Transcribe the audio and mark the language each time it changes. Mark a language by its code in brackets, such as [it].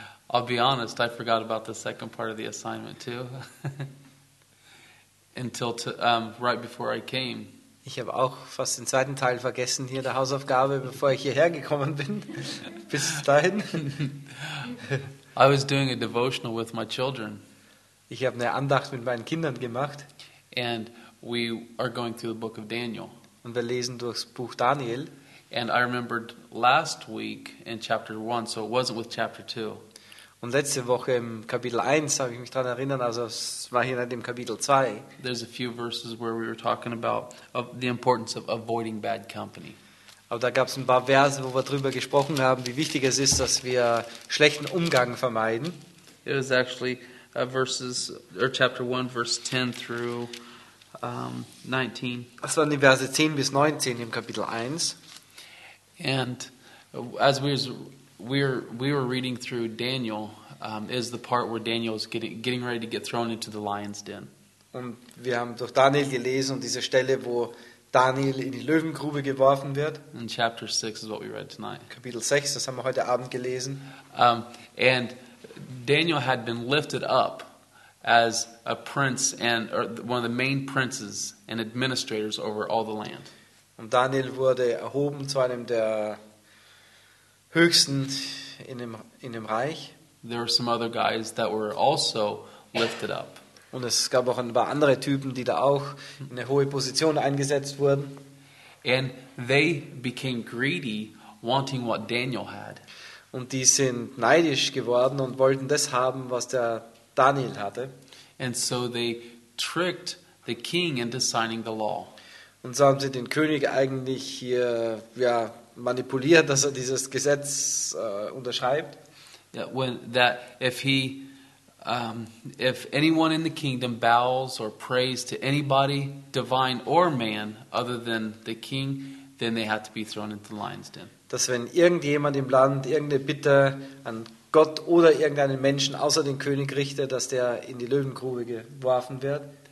[en] I'll be honest, I forgot about the second part of the assignment too. Right before I came. [de] Ich habe auch fast den zweiten Teil vergessen hier der Hausaufgabe, bevor ich hierher gekommen bin. Bis dahin. [en] I was doing a devotional with my children. [de] Ich habe eine Andacht mit meinen Kindern gemacht. [en] And we are going through the book of Daniel. [de] Und wir lesen durchs Buch Daniel. [en] And I remembered last week in chapter 1, so it wasn't with chapter 2. [de] Und letzte Woche im Kapitel 1 habe ich mich daran erinnert, also es war hier nicht im Kapitel 2. [en] There's a few verses where we were talking about the importance of avoiding bad company. [de] Aber da gab es ein paar Verse, wo wir drüber gesprochen haben, wie wichtig es ist, dass wir schlechten Umgang vermeiden. [en] It was actually verses or chapter 1 verse 10 through 19. [de] Das waren die Verse 10 bis 19 im Kapitel 1. [en] And as we were reading through Daniel, is the part where Daniel is getting ready to get thrown into the lion's den. [de] Und wir haben durch Daniel gelesen und diese Stelle, wo Daniel in die Löwengrube geworfen wird. [en] In chapter 6 is what we read tonight. [de] Kapitel 6, das haben wir heute Abend gelesen. [en] And Daniel had been lifted up as a prince and or one of the main princes and administrators over all the land. [de] Und Daniel wurde erhoben zu einem der höchsten in dem Reich. [en] There were some other guys that were also lifted up. [de] Und es gab auch ein paar andere Typen, die da auch in eine hohe Position eingesetzt wurden. [en] And they became greedy, wanting what Daniel had. [de] Und die sind neidisch geworden und wollten das haben, was der Daniel hatte. [en] And so they tricked the king into signing the law. [de] Und so haben sie den König eigentlich hier manipuliert, dass er dieses Gesetz unterschreibt. [en] Yeah, when that if anyone in the kingdom bows or prays to anybody, divine or man, other than the king, then they have to be thrown into the lion's den. [de] Dass wenn irgendjemand im Land irgendeine Bitte an Gott oder irgendeinen Menschen außer den König richtet, dass der in die Löwengrube geworfen wird.